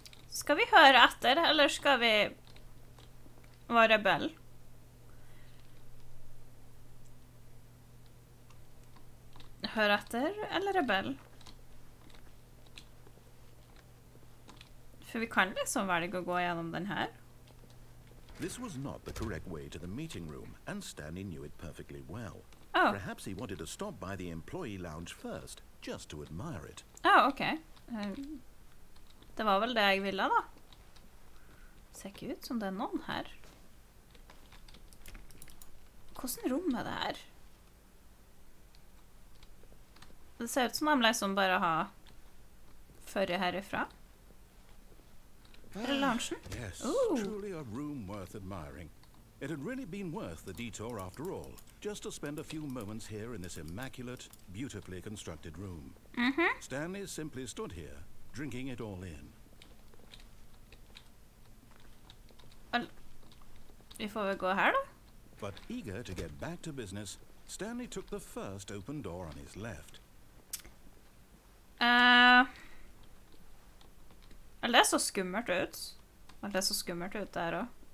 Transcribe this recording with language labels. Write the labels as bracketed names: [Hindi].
[Norwegian] Skal vi høre etter, eller skal vi være rebell? Høre etter, eller rebell? For vi kan liksom velge å gå gjennom den her. [English] This was not the correct way to the meeting room, and Stanley knew it perfectly well. Oh. Perhaps he wanted to stop by the employee lounge first, just to admire it. Oh, okay. [Norwegian] Det var vel det jeg ville da. Ser ikke ut som det noen her. Hvordan rom det her? Det ser ut som de liksom bare har førre herifra. [English] Yes, ooh. Truly a room worth admiring. It had really been worth the detour after all, just to spend a few moments here in this immaculate, beautifully constructed room. Mm-hmm. Stanley simply stood here, drinking it all in. Before we go here, though? But eager to get back to business, Stanley took the first open door on his left. [Norwegian] Eller det er så skummelt ut. Eller det er så skummelt ut der også.